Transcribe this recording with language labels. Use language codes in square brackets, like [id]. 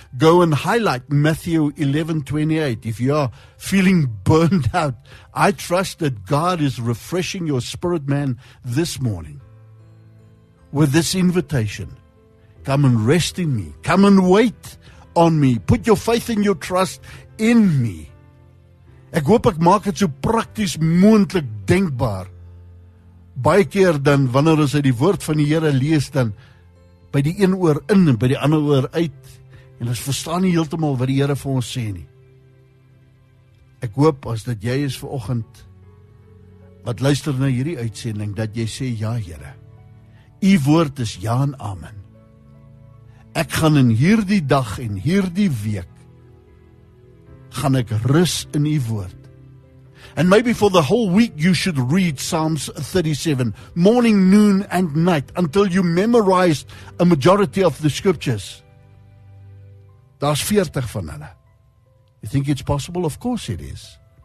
[en] Go and highlight Matthew 11:28. If you are feeling burned out, I trust that God is refreshing your spirit, man, this morning with this invitation. Come and rest in me. Come and wait on me. Put your faith and your trust in me. [af] Ek hoop ek maak dit so prakties moontlik denkbaar. Baie keer dan, wanneer ons uit die woord van die Here lees, dan by die een oor in en by die ander oor uit, en ons verstaan nie heeltemal wat die Here vir ons sê nie. Ek hoop as dat jy is vanoggend wat luister na hierdie uitsending, dat jy sê, ja Here, U woord is ja en amen. Ek gaan in hierdie dag en hierdie week gaan ek rus in U woord. [en] And maybe for the whole week you should read Psalms 37, morning, noon and night, until you memorize a majority of the scriptures. [af] Daar's 40 van hulle. [en] You think it's possible? Of course it is.